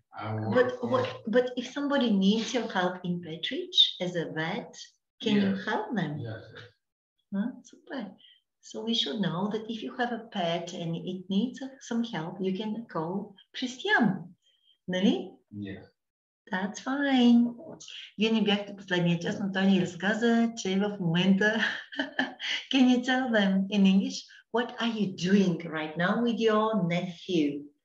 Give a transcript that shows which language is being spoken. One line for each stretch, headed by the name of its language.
English: But if somebody needs your help in Petrich as a vet, can you help them? Yes. Huh? Super. So we should know that if you have a pet and it needs some help, you can call Christian.
Bulgarian: Нали?
English: Yeah. That's fine.
Bulgarian: Вие не бяхте последния час, но той ни разказа, че в момента...
English: Can you tell them in English? What are you doing right now with your nephew?